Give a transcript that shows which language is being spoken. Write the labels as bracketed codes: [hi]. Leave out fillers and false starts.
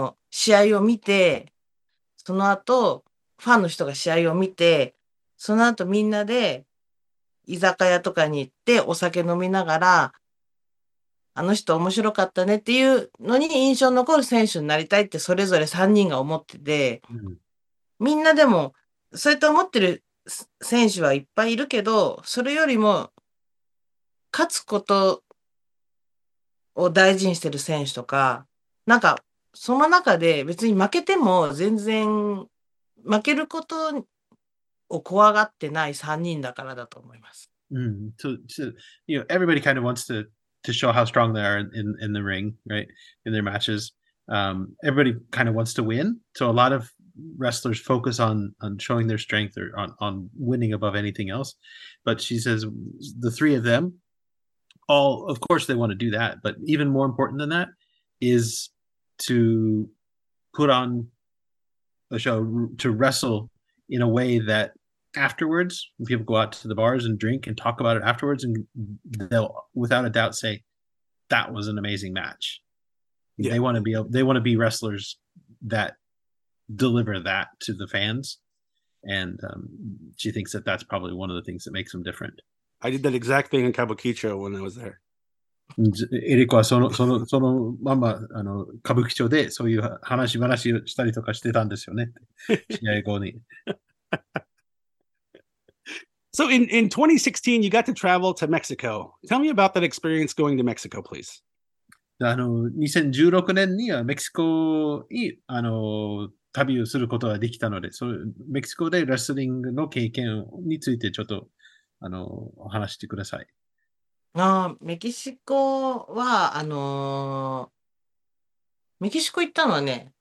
[ja] 試合を見て、その後、ファンの人が試合を見て、その後みんなで居酒屋とかに行ってお酒飲みながら、あの人面白かったねっていうのに印象残る選手になりたいってそれぞれ3人が思ってて、みんなでもそうやって思ってる選手はいっぱいいるけど、それよりも勝つことを大事にしてる選手とか、なんかその中で別に負けても全然負けることに怖がってない3人だからだと思います。 [en] So, you know, everybody kind of wants to show how strong they are in the ring, right? In their matches. Everybody kind of wants to win. So a lot of wrestlers focus on showing their strength or on winning above anything else. But she says the three of them, all, of course they want to do that. But even more important than that is to put on a show, to wrestle in a way that afterwards, when people go out to the bars and drink and talk about it afterwards, and they'll without a doubt say, that was an amazing match. Yeah. They want to be wrestlers that deliver that to the fans. And she thinks that that's probably one of the things that makes them different. I did that exact thing in Kabukicho when I was there. [ja] Eriko はそのまま歌舞伎町でそういう話をしたりとかしてたんですよね。試合後に。 [en] So in 2016, you got to travel to Mexico. Tell me about that experience going to Mexico, please. [ja] 2016年にはメキシコに旅をすることができたので、そのメキシコでレスリングの経験についてちょっとお話してください。メキシコは、メキシコ行ったのはね、